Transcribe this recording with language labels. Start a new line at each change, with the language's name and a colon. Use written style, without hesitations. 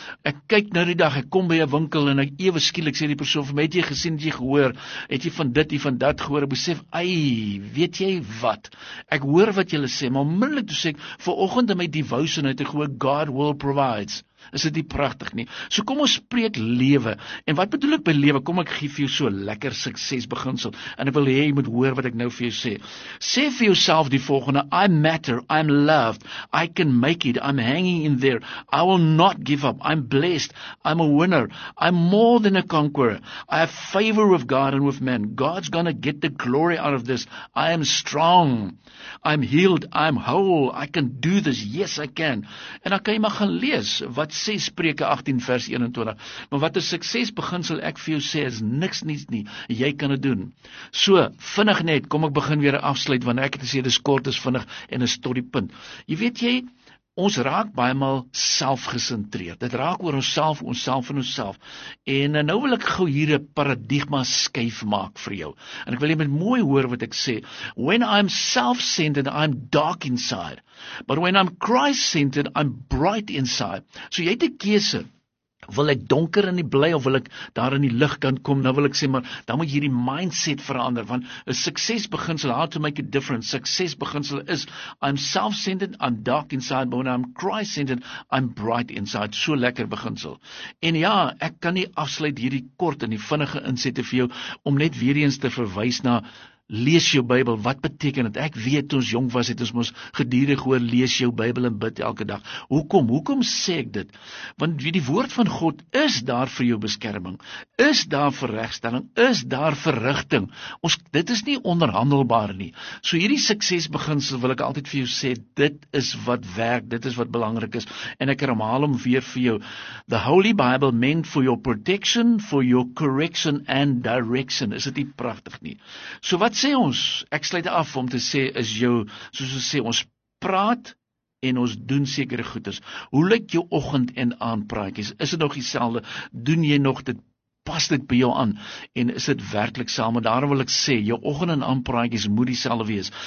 Afrikaans: Ek kyk nou die dag, ek kom by 'n winkel en ek ewe skielik sê die persoon vir my, het jy gesien, het jy gehoor, het jy van dit, jy van dat gehoor, ek besef, ei, weet jy wat, ek hoor wat jy sê, maar onmiddellik toe sê ek, vir oggend in my devotion uit te gooi,
English: God will provides.
Afrikaans: Is dit nie pragtig nie? So kom ons spreek lewe. En wat bedoel ek by lewe? Kom ek gee vir jou so lekker suksesbeginsel. En ek wil hê jy moet hoor wat ek nou vir jou sê. Sê vir jouself die volgende:
English: I matter, I'm loved, I can make it, I'm hanging in there. I will not give up. I'm blessed, I'm a winner, I'm more than a conqueror. I have favor with God and with men. God's gonna get the glory out of this. I am strong. I'm healed, I'm whole. I can do this. Yes, I can.
Afrikaans: En dan kan jy maar gaan lees wat sê Spreuke 18 vers 21. Maar wat 'n suksesbeginsel ek vir jou sê is niks niets nie. Jy kan dit doen. So, vinnig net, kom ek begin weer afsluit want ek het gesê dis kort, is vinnig en is tot die punt. Jy weet jy, ons raak baie maal selfgesentreerd. Dit raak oor onsself, onsself en onsself. En nou wil ek gou hier 'n paradigma skuif maak vir jou. En ek wil jy met mooi hoor wat ek sê.
English: When I'm self-centered, I'm dark inside. But when I'm Christ-centered, I'm bright inside.
Afrikaans: So jy het 'n keuse. Wil ek donker in die bly of wil ek daar in die lig kan kom? Nou wil ek sê, maar dan moet hierdie mindset verander, want 'n suksesbeginsel,
English: how to make a difference,
Afrikaans: suksesbeginsel is,
English: I'm self-centered, I'm dark inside, but when I'm Christ-centered, I'm bright inside.
Afrikaans: So lekker beginsel. En ja, ek kan nie afsluit hierdie kort en die vinnige insette vir jou, om net weer eens te verwys na, lees jou Bybel, wat beteken dit? Ek weet, toe ons jong was, het ons mos gedurig hoor, lees jou Bybel en bid elke dag. Hoekom? Hoekom sê ek dit? Want die woord van God is daar vir jou beskerming, is daar vir regstelling, is daar vir rigting. Ons, dit is nie onderhandelbaar nie. So hierdie suksesbeginsel wil ek altyd vir jou sê, dit is wat werk, dit is wat belangrik is, en ek herhaal hom weer vir jou.
English: The Holy Bible meant for your protection, for your correction and direction.
Afrikaans: Is dit nie pragtig nie? So wat sê ons? Ek sluit af om te sê, is jou, soos ons sê, ons praat en ons doen sekere goeders. Hoe lyk jou oggend en aandpraatjies? Is dit nog dieselfde? Doen jy nog dit? Pas dit by jou aan? En is dit werklik saam? En daarom wil ek sê, jou oggend en aandpraatjies moet dieselfde wees.